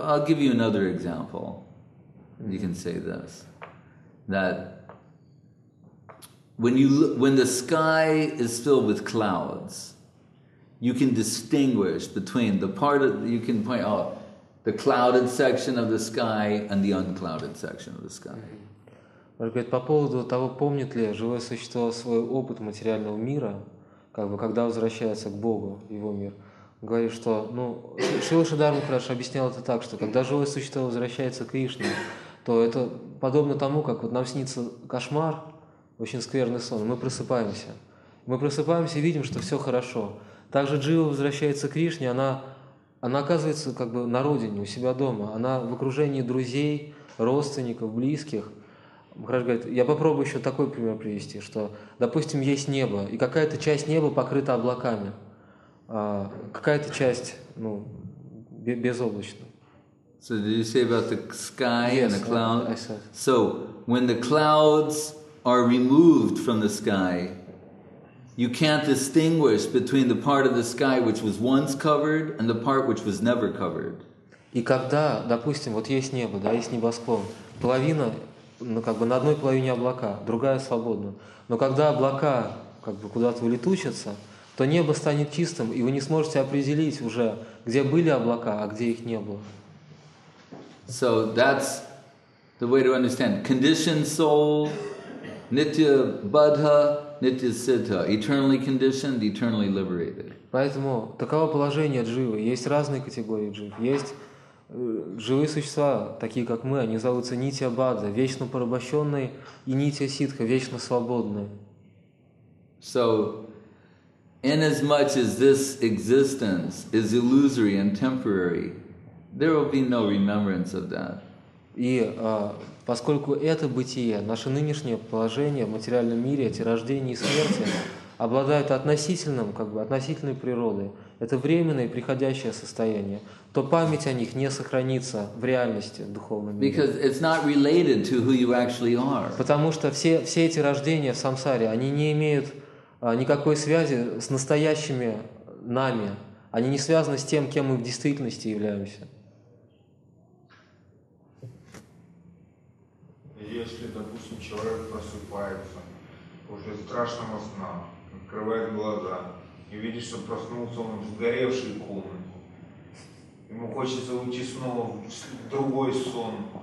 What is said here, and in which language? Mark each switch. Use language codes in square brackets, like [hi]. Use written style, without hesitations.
[en] I'll give you another example. You can say this, that when the sky is filled with clouds, you can distinguish between the part of, you can point out the clouded section of the sky and the unclouded section of the sky. [ru] Он говорит по поводу того, помнит ли живое существо свой опыт материального мира, как бы когда возвращается к Богу его мир. Говорит, что, ну, Шрила Шридхар Махарадж объяснял это так, что когда живое существо возвращается к Кришне, то это подобно тому, как вот нам снится кошмар, очень скверный сон, мы просыпаемся. Мы просыпаемся и видим, что все хорошо. Также Джива возвращается к Кришне, она оказывается как бы на родине, у себя дома. Она в окружении друзей, родственников, близких. Махарадж говорит, я попробую еще такой пример привести, что, допустим, есть небо, и какая-то часть неба покрыта облаками, а какая-то часть, ну, безоблачна. [en] So did you say about the sky yes, and the cloud? I said. So when the clouds are removed from the sky, you can't distinguish between the part of the sky which was once covered and the part which was never covered. [ru] И когда, допустим, вот есть небо, да, есть небосклон, половина, ну как бы на одной половине облака, другая свободна. Но когда облака как бы куда-то улетучатся, то небо станет чистым, и вы не сможете определить уже, где были облака, а где их не было. [en] So that's the way to understand. Conditioned soul, nitya buddha, nitya siddha. Eternally conditioned, eternally liberated. [ru] Поэтому таково положение дживы. Есть разные категории джив. Есть живые существа, такие как мы, они зовутся нитья бадха, вечно порабощенные, и нитья сиддха, вечно свободные. [en] So, inasmuch as this existence is illusory and temporary, there will be no remembrance of that. [ru] И поскольку это бытие, наше нынешнее положение в материальном мире, эти рождения и смерти, обладают относительным, как бы, относительной природой, это временное и приходящее состояние, то память о них не сохранится в реальности, в духовном мире. [en] Because it's not related to who you actually are. [ru] Потому что все эти рождения в самсаре, они не имеют никакой связи с настоящими нами. Они не связаны с тем, кем мы в действительности являемся. Если, допустим, человек просыпается после страшного сна, открывает глаза и видит, что проснулся он в сгоревшей комнате, ему хочется уйти снова в другой сон.